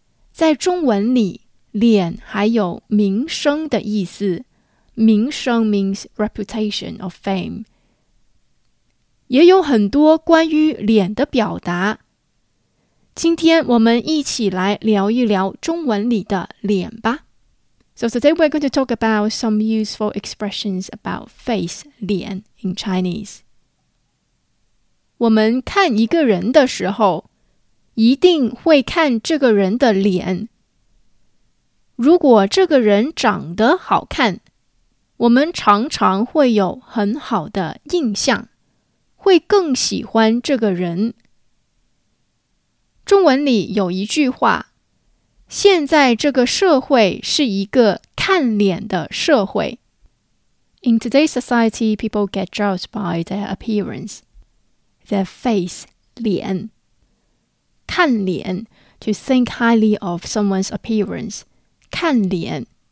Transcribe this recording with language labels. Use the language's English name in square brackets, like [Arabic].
[Chinese] 在中文里，脸还有名声的意思，名声 [English] means reputation or fame。 [Chinese] 也有很多关于脸的表达，今天我们一起来聊一聊中文里的脸吧。 [English] So today we're going to talk about some useful expressions about face, 脸 in Chinese。 [Chinese] 我们看一个人的时候，一定会看这个人的脸。如果这个人长得好看，我们常常会有很好的印象，会更喜欢这个人。中文里有一句话，现在这个社会是一个看脸的社会。 [English] In today's society, people get judged by their appearance, their face, 脸。看脸， to think highly of someone's appearance, 看脸。